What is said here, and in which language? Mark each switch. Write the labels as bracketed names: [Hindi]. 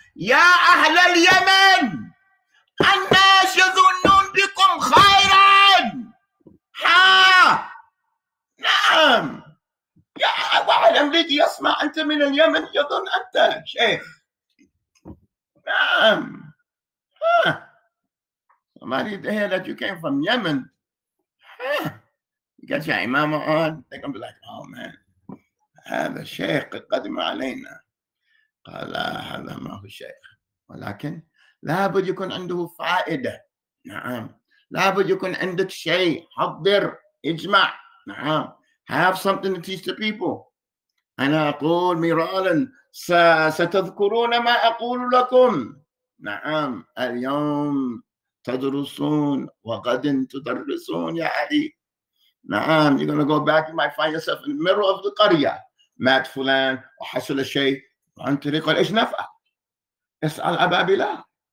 [Arabic] يا أهل اليمن الناس يظنون بكم خيرا. ها نعم. يا واحد أمريكي يسمع أنت من اليمن يظن أنت شيخ. نعم. [English] Somebody hear that you came from Yemen. You got your imama on. They're gonna be like, oh man, [Arabic] هذا الشيخ قدم علينا. قال هذا ما هو شيخ. ولكن لابد يكون عنده فائدة. نعم. لابد يكون عندك شيء. حضر. اجمع. نعم. [English] Have something to teach the people. [Arabic] أنا أقول مرارا ستذكرون ما أقول لكم. نعم اليوم تدرسون وغدا تدرسون يا علي. [English] نعم you're gonna go back, you might find yourself in the middle of the قرية. [Arabic] مات فلان وحصل شيء وأنت تقول إيش نفع؟ اسأل أبا بلال.